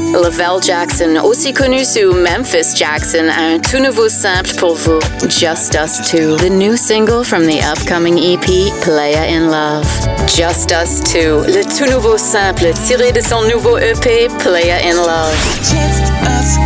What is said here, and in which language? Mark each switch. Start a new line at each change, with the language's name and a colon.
French: Lavelle Jackson, aussi connu sous Memphis Jackson, a un tout nouveau simple pour vous.
English: Just Us 2, the new single from the upcoming EP Playa in Love.
French: Just Us 2, le tout nouveau simple tiré de son nouveau EP Playa in Love.